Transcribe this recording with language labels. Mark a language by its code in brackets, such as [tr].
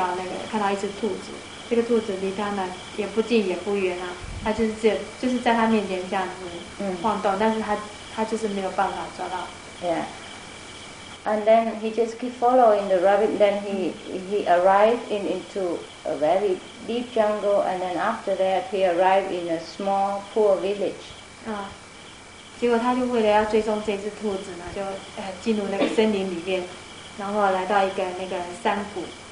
[zh] 就他在打猎的途中的时候碰到了，就看到一条那个，看到一只兔子。这个兔子离他呢也不近也不远啊，它就是在他面前这样子晃动，但是他就是没有办法抓到。 [en] And then he just keep following the rabbit. Then he arrived into a very deep jungle. And then after that, he arrived in a small poor village. [zh] 结果他就为了要追踪这只兔子呢，就进入那个森林里面，然后来到一个那个山谷。